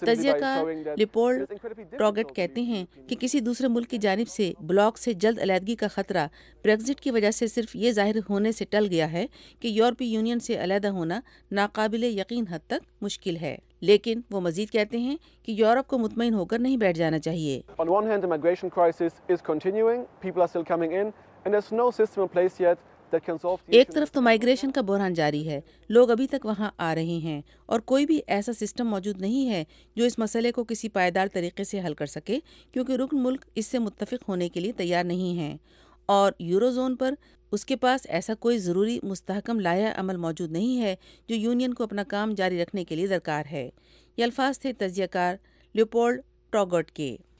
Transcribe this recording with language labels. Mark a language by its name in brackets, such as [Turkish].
[Urdu] تجزیہ کار لیوپولڈ ٹاگٹ کہتے ہیں کہ کسی دوسرے ملک کی جانب سے بلاک سے جلد علیحدگی کا خطرہ بریگزٹ کی وجہ سے صرف یہ ظاہر ہونے سے ٹل گیا ہے کہ یورپی یونین سے علیحدہ ہونا ناقابل یقین حد تک مشکل ہے، لیکن وہ مزید کہتے ہیں کہ یورپ کو مطمئن ہو کر نہیں بیٹھ جانا چاہیے۔ [English] On one hand, the migration crisis is continuing. People are still coming in and there's no system in place yet. [Urdu] ایک طرف تو مائیگریشن کا بحران جاری ہے، لوگ ابھی تک وہاں آ رہے ہیں، اور کوئی بھی ایسا سسٹم موجود نہیں ہے جو اس مسئلے کو کسی پائیدار طریقے سے حل کر سکے، کیونکہ رکن ملک اس سے متفق ہونے کے لیے تیار نہیں ہیں، اور یورو زون پر اس کے پاس ایسا کوئی ضروری مستحکم لائحہ عمل موجود نہیں ہے جو یونین کو اپنا کام جاری رکھنے کے لیے درکار ہے۔ یہ الفاظ تھے تجزیہ کار لیوپولڈ ٹاگٹ کے۔